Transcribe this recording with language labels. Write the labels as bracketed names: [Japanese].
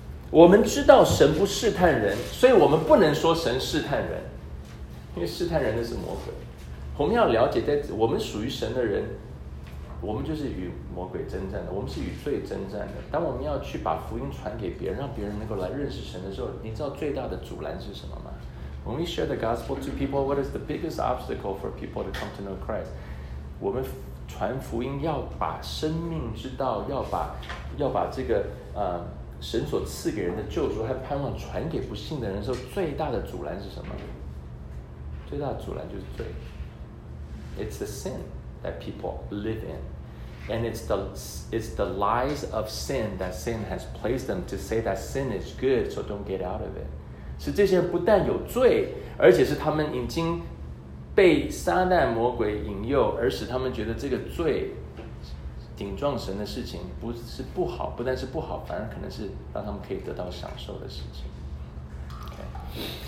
[Chinese] 我们知道神不试探人，所以我们不能说神试探人，因为试探人的是魔鬼。我们要了解，在我们属于神的人，我们就是与魔鬼征战的，我们是与罪征战的。当我们要去把福音传给别人，让别人能够来认识神的时候，你知道最大的阻拦是什么吗？ [English] When we share the gospel to people, what is the biggest obstacle for people to come to know Christ? [Chinese] 我们传福音要把生命之道，要把这个神所赐给人的救赎和盼望传给不信的人的时候，最大的阻拦是什么？最大的阻拦就是罪。 [English] It's the sin that people live in. And it's the lies of sin that sin has placed them to say that sin is good, so don't get out of it. [Chinese] 是这些人不但有罪，而且是他们已经被撒旦魔鬼引诱，而使他们觉得这个罪顶撞神的事情不是不好，不但是不好，反而可能是让他们可以得到享受的事情。 [English] Okay.